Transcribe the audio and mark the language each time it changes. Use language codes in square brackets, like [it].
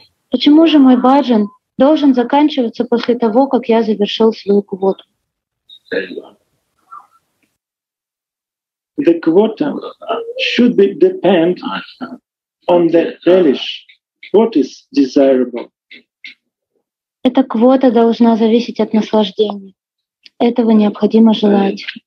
[ru] Почему же мой бхаджан должен заканчиваться после того, как я завершил свою квоту? [en] The quota should be depend on the relish. What is desirable? [ru] Эта квота должна зависеть от наслаждения. Этого необходимо желать.